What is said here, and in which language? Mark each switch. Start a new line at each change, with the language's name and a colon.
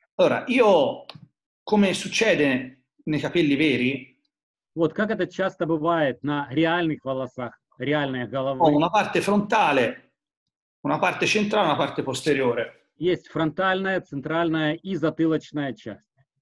Italian: Allora, io, come succede nei capelli veri?
Russian: Вот, как это часто бывает на реальных волосах, реальной головы?
Italian: Ho una parte frontale. Una parte centrale, una parte posteriore.
Russian: Есть фронтальная, центральная и затылочная часть.